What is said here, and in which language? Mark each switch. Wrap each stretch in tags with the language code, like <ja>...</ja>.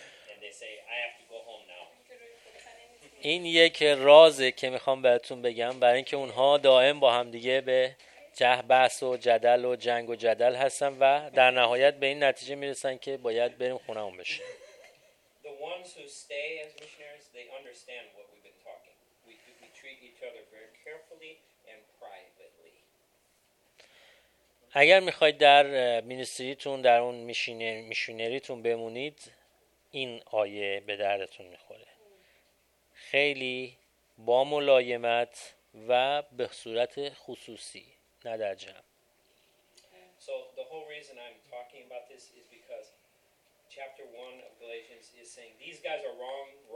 <en>And they say, I have to go home now.</en> <fa>این یک رازه که میخوام براتون بگم، برای اینکه اونها دائم با هم دیگه به جه بحث و جدل و جنگ و جدل هستن و در نهایت به این نتیجه میرسن که باید بریم خونمون بشیم.</fa> <en>The ones who stay as missionaries, they understand what we've been talking. We treat each other very carefully and privately.</en> <fa>اگر میخواید در مینیستریتون، در اون میشنریتون بمونید، این آیه به دردتون میخوره. خیلی با ملایمت و به صورت خصوصی، نه در جمع.</fa> <en>So the whole reason I'm talking about this is because chapter 1 of Galatians is saying these guys are wrong.</en>